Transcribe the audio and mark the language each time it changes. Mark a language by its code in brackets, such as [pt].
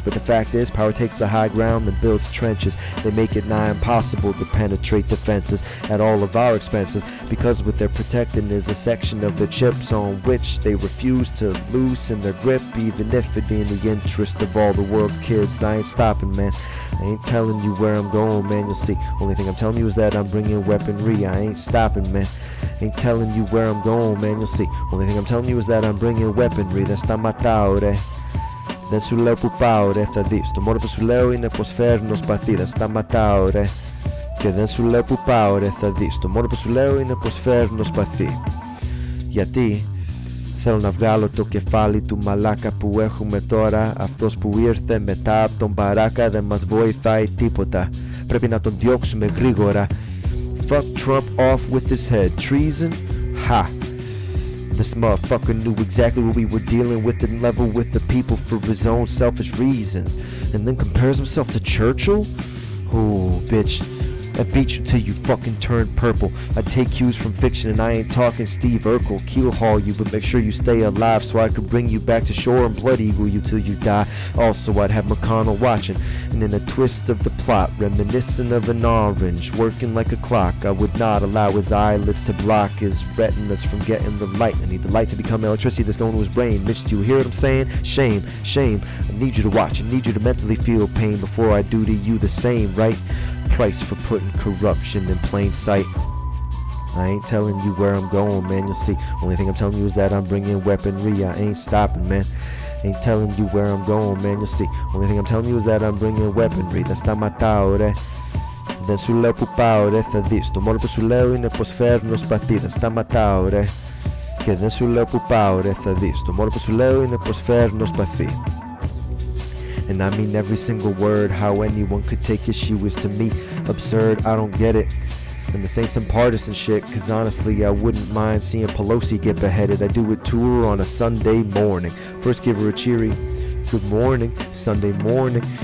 [en] But the fact is, power takes the high ground and builds trenches. They make it nigh impossible to penetrate defenses at all of our expenses, because what they're protecting is a section of the chips on which they refuse to loosen their grip, even if it be in the interest of all the world kids. I ain't stopping, man. I ain't telling you where I'm going, man. You'll see. Only thing I'm telling you is that I'm bringing weaponry. I ain't stopping, man. Ain't telling you where I'm going, man. You'll see. Only thing I'm telling you is that I'm bringing weaponry. [el] Δεν σταματάω, ρε. Δεν σου λέω που πάω, ρε. Θα δεις. Στο μόνο που σου λέω είναι πως φέρνω σπαθί. Δεν σταματάω, ρε. Και δεν σου λέω που πάω, ρε. Θα δεις. Στο μόνο που σου λέω είναι πως φέρνω σπαθί. Γιατί θέλω να βγάλω το κεφάλι του μαλάκα που έχουμε τώρα. Αυτός που ήρθε μετά από τον παράκα δεν μας βοηθάει τίποτα. Πρέπει να τον διώξουμε γρήγορα. [en] Fuck Trump off with his head. Treason? Ha! This motherfucker knew exactly what we were dealing with and level with the people for his own selfish reasons. And then compares himself to Churchill? Oh, bitch. I beat you till you fucking turn purple. I take cues from fiction and I ain't talking Steve Urkel. Keel haul you, but make sure you stay alive so I could bring you back to shore and blood eagle you till you die. Also, I'd have McConnell watching, and in a twist of the plot, reminiscent of an orange, working like a clock, I would not allow his eyelids to block his retinas from getting the light. I need the light to become electricity that's going to his brain. Mitch, do you hear what I'm saying? Shame, shame. I need you to watch. I need you to mentally feel pain before I do to you the same, right? Price for putting corruption in plain sight. I ain't telling you where I'm going, man. You'll see. Only thing I'm telling you is that I'm bringing weaponry. I ain't stopping, man. Ain't telling you where I'm going, man. You'll see. Only thing I'm telling you is that I'm bringing weaponry. [el] Δεν σταματάω, ρε. Δεν σου λέω που πάω, ρε. Θα δεις. Το μόνο που σου λέω είναι πως φέρνω σπαθί. Δεν σταματάω, ρε. Και δεν σου λέω που πάω, ρε. Θα δεις. Το μόνο που σου λέω είναι πως φέρνω σπαθί. [en] And I mean every single word. How anyone could take issue is to me absurd. I don't get it. And this ain't some partisan shit, cause honestly I wouldn't mind seeing Pelosi get beheaded. I do it to her on a Sunday morning. First give her a cheery good morning, Sunday morning.